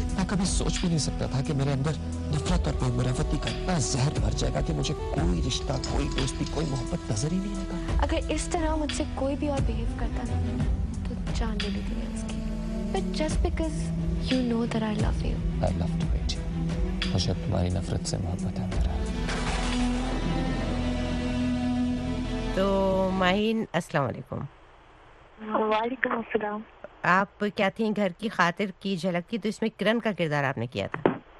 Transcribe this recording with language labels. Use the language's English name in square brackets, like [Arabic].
[Urdu] کبھی سوچ بھی نہیں سکتا تھا کہ میرے اندر نفرت اور بے مروتی کا اتنا زہر بھر جائے گا کہ مجھے کوئی رشتہ, کوئی دوستی, کوئی محبت نظر ہی نہیں آئے گا. اگر اس طرح مجھ سے کوئی بھی اور بیہیو کرتا نا تو جان لے لیتی میں اس کی. [English] But just because you know that I love you. I love to hate you. [Urdu] مجھے تمہاری نفرت سے محبت ہے میرا. تو ماہین, السلام علیکم. وعلیکم السلام. آپ کیا تھیں گھر کی خاطر کی جھلک کی, تو اس میں کرن کا کردار آپ نے کیا تھا.